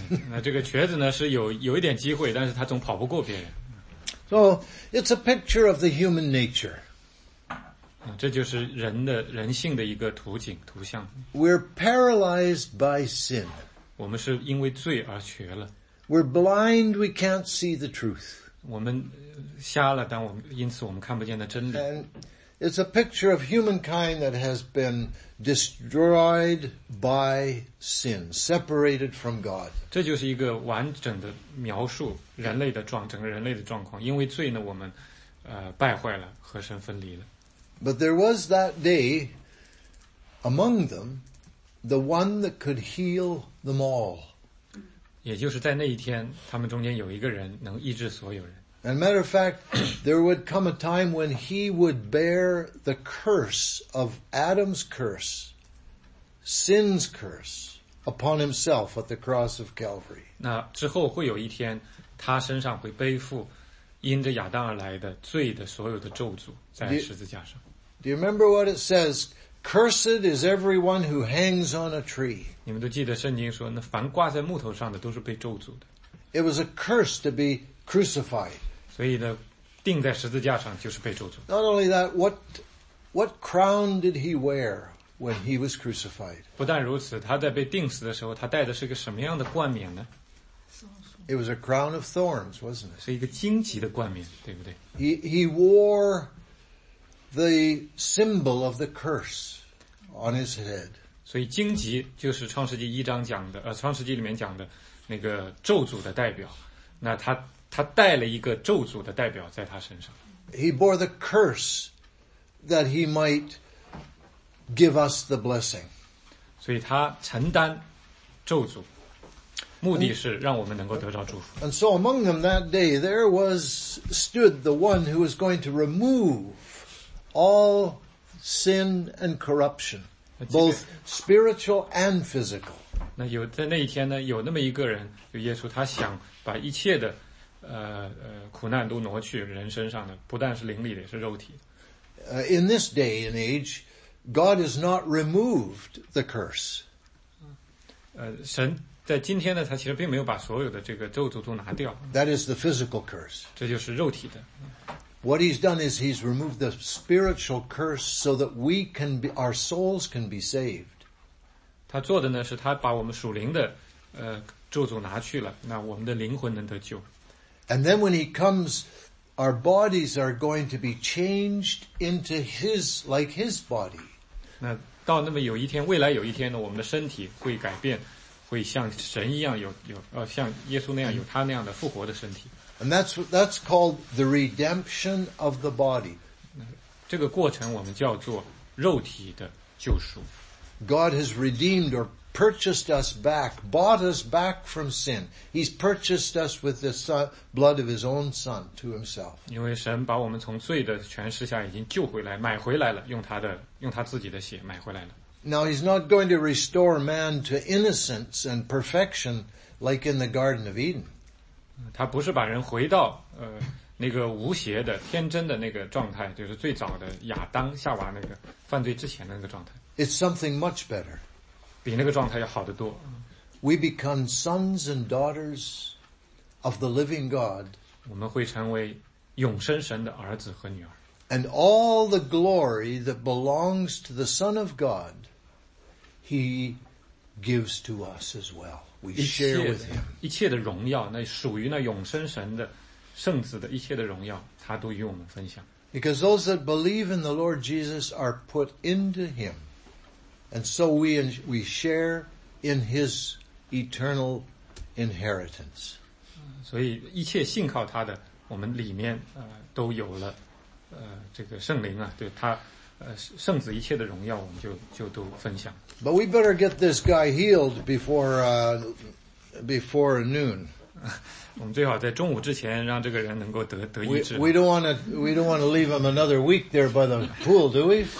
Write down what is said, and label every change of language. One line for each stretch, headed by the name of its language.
Chinese: 那这个瘸子呢是有一点机会，但是他总跑不过别人。
English: So it's a picture of the human nature.
Chinese: 这就是人性的一个图景图像。
English: We're paralyzed by sin.
Chinese: 我们是因为罪而瘸了。
English: We're blind. We can't see the truth.
Chinese: 我们瞎了，但我们因此我们看不见的真理。
English: And it's a picture of humankind that has been destroyed by sin, separated from God.
Chinese: 这就是一个完整的描述人类的状，整个人类的状况。因为罪呢，我们败坏了，和神分离了。
English: But there was that day among them, the one that could heal them all.
Chinese: 也就是在那一天，他们中间有一个人能医治所有人。
English: And matter of fact, there would come a time when he would bear the curse of Adam's curse, sin's curse, upon himself at the cross of Calvary.
Chinese: 那之后会有一天，他身上会背负因着亚当而来的罪的所有的咒诅在十字架上。
English: Do you remember what it says? Cursed is everyone who hangs on a tree.
Chinese: 你们都记得圣经说，那凡挂在木头上的都是被咒诅的。
English: It was a curse to be crucified.
Chinese: 所以呢，钉在十字架上就是被咒诅。
English: Not only that, what crown did he wear when he was crucified?
Chinese: 不但如此，他在被钉死的时候，他戴的是个什么样的冠冕呢？
English: It was a crown of thorns, wasn't it?
Chinese: 是一个荆棘的冠冕，对不对？
English: He wore the symbol of the curse on his head.
Chinese: 所以荆棘就是创世纪一章讲的，创世纪里面讲的那个咒诅的代表。那他带了一个咒诅的代表在他身上。
English: He bore the curse that he might give us the blessing.
Chinese: 所以他承担咒诅，目的是让我们能够得到祝福。
English: And so among them that day, there was stood the one who was going to remove all sin and corruption, both spiritual and physical.
Chinese: 那有在那一天呢，有那么一个人，就耶稣，他想把一切的苦难都挪去人身上的，不但是灵力的，也是肉体。
English: In this day and age, God has not removed the curse.
Chinese: 神在今天呢，他其实并没有把所有的这个咒诅都拿掉。
English: That is the physical curse.
Chinese: 这就是肉体的。
English: What he's done is he's removed the spiritual curse so that we can be, our souls can be saved.
Chinese: 他做的呢，是他把我们属灵的咒诅拿去了，那我们的灵魂能得救。
English: And then when he comes, our bodies are going to be changed into his, like his body.
Chinese: 那到那么有一天，未来有一天呢，我们的身体会改变，会像神一样像耶稣那样有他那样的复活的身体。
English: And that's called the redemption of the body.
Chinese: 这个过程我们叫做肉体的救赎。
English: God has redeemed or purchased us back, bought us back from sin. He's purchased us with the blood of his own son to himself.
Chinese: 因为神把我们从罪的权势下已经救回来，买回来了，用他自己的血买回来了。
English: Now he's not going to restore man to innocence and perfection like in the Garden of Eden.
Chinese: 他不是把人回到那个无邪的天真的那个状态，就是最早的亚当夏娃那个犯罪之前的那个状态。
English: It's something much better.
Chinese: 比那个状态要好得多。
English: We become sons and daughters of the living God.
Chinese: 我们会成为永生神的儿子和女儿。
English: And all the glory that belongs to the Son of God, He gives to us as well. We share with Him.
Chinese: 一切的荣耀，那属于那永生神的圣子的一切的荣耀，他都与我们分享。
English: Because those that believe in the Lord Jesus are put into Him. And so we share in his eternal inheritance.
Chinese: 所以一切信靠他的，我们里面都有了这个圣灵啊，对他圣子一切的荣耀，我们就都分享。
English: But we better get this guy healed before noon.
Chinese: 我们最好在中午之前让这个人能够得医治。
English: We don't want to leave him another week there by the pool, do we?